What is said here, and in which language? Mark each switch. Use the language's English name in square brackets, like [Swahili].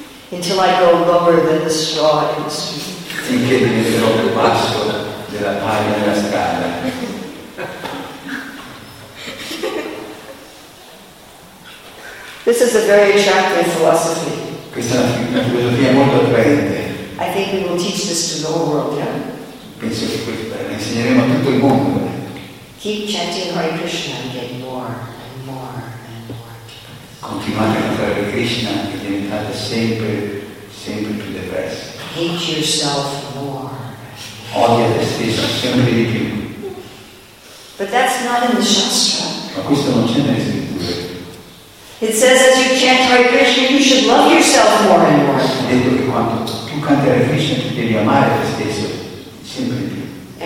[English] Until I go lower than the straw in the street. [Italian] Finché diventerò più basso della paglia della strada. [English] This is a very attractive philosophy. [Italian] Questa è una filosofia molto attraente. [English] I think we will teach this to the whole world, yeah? [Italian] Penso che questo insegneremo a tutto il mondo. [English] Keep chanting Hare Krishna and get more and more and more depressed. [Italian] Continuate a fare Krishna e diventate sempre più depressi. [English] Hate yourself more. [Italian] Odia te stesso sempre di più. [English] But that's not in the Shastra. [Italian] Ma questo non c'è nelle scritture. [English] It says as you chant Hare Krishna, you should love yourself more and more. [Italian] Detto che quando tu canti Hare Krishna, tu devi amare te stesso sempre di più.